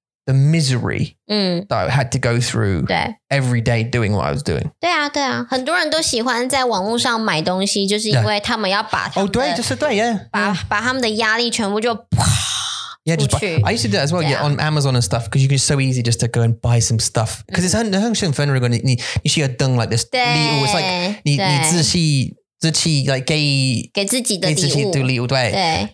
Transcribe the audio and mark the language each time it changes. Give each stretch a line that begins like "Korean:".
English: The misery that I had to go through every day doing what I was doing.
Chinese: 对啊对啊很多人都喜欢在网络上买东西就是因为他们要把他们的、 oh, 对就是对把他们的压力全部就
English: I used to do that as well on Amazon and stuff because you can so easy just to go and buy some stuff. Because it's
Chinese: 很兴奋如果你需要灯
English: like this.
Chinese: 对
English: It's like
Chinese: 你自己 like 给自己的礼物，给自己的礼物，对。对。